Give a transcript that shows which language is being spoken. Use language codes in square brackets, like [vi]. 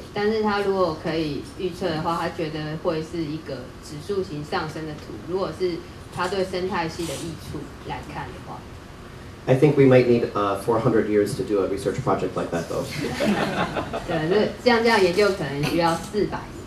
[zh] 但是他如果可以预测的话，他觉得会是一个指数型上升的图。如果是他对生态系的益处来看的话 [en] ，I think we might need 400 years to do a research project like that, though. [zh] 对，这样研究可能需要四百。